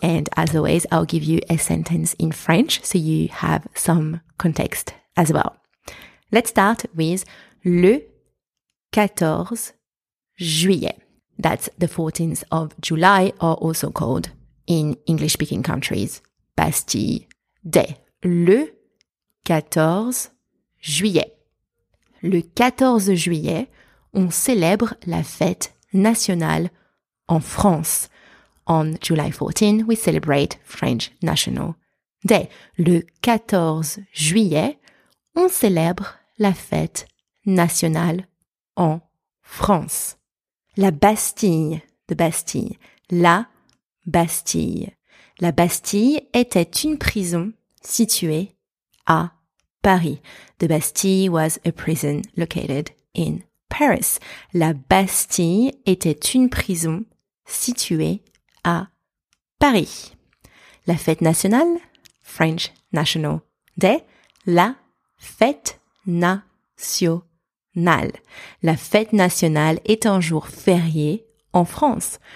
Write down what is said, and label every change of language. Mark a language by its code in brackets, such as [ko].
[en] And as always, I'll give you a sentence in French so you have some context as well. Let's start with [fr] le 14 juillet. [en] That's the 14th of July, or also called in English-speaking countries, Bastille Day. [fr] Le 14 juillet. Le 14 juillet, on célèbre la fête nationale en France. [en] On July 14, we celebrate French National Day. [fr] Le 14 juillet, on célèbre la fête nationale en France. La Bastille, de Bastille. La Bastille. La Bastille était une prison située à Paris. [en] The Bastille was a prison located in Paris. [fr] La Bastille était une prison située à Paris. La fête nationale, [en] French National Day, [fr] la fête nationale. La fête nationale est un jour férié en France.